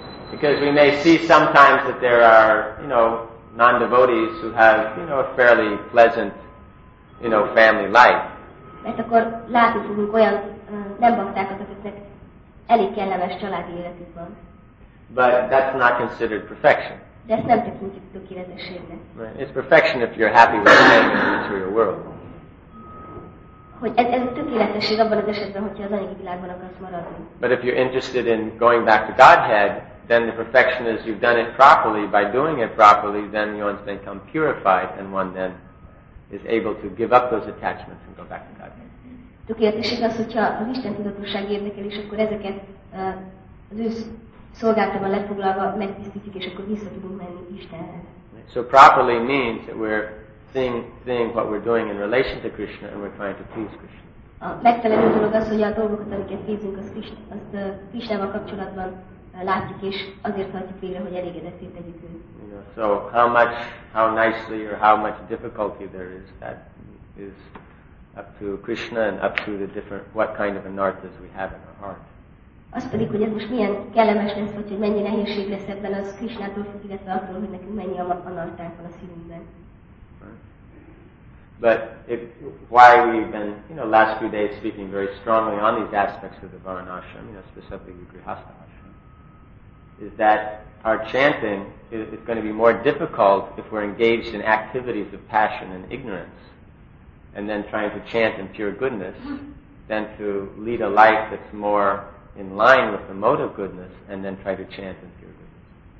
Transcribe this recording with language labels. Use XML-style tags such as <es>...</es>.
<en>Because we may see sometimes that there are, you know, non-devotees who have, you know, a fairly pleasant, you know, family life.</en> <hu>Mert akkor látni fogunk olyan nem baktákat, akiknek elég kellemes családi életük van.</hu> <en>But that's not considered perfection.</en> <hu>De ezt nem tekintjük tökéletességnek.</hu> <en>Right. It's perfection if you're happy with the material world.</en> <hu>hogy ez tökéletesség abban az esetben, hogyha az anyagi világban akarsz maradni.</hu> <en>But if you're interested in going back to Godhead, then the perfection is you've done it properly. By doing it properly, then one then become purified, and one then is able to give up those attachments and go back to God.</en> <hu>Tökéletesség az, hogyha az Isten tudatosság érdekel, és akkor ezeket az ő szolgáltában lefoglalva megtisztítjuk, és akkor vissza tudunk menni Istenhez.</hu> <en>So properly means that we're seeing what we're doing in relation to Krishna, and we're trying to please Krishna.</en> <hu>A megfelelő dolog az, hogy a dolgokat, amiket nézünk, azt Krishnával kapcsolatban látjuk, és azért tartjuk végre, hogy elégedetté tegyük őt.</hu> <en>So how much, how nicely, or how much difficulty there is, that is up to Krishna and up to the different, what kind of anarthas we have in our heart.</en> <hu>Azt pedig, hogy ez most milyen kellemes lesz, vagy hogy mennyi nehézség lesz ebben, az Krishnától függ, illetve attól, hogy nekünk mennyi anarthánk van a szívünkben.</hu> <en>But if, why we've been, you know, last few days speaking very strongly on these aspects of the Varanashram, you know, specifically Grihastha Ashram, is that our chanting is going to be more difficult if we're engaged in activities of passion and ignorance, and then trying to chant in pure goodness, than to lead a life that's more in line with the mode of goodness, and then try to chant in pure goodness.</en>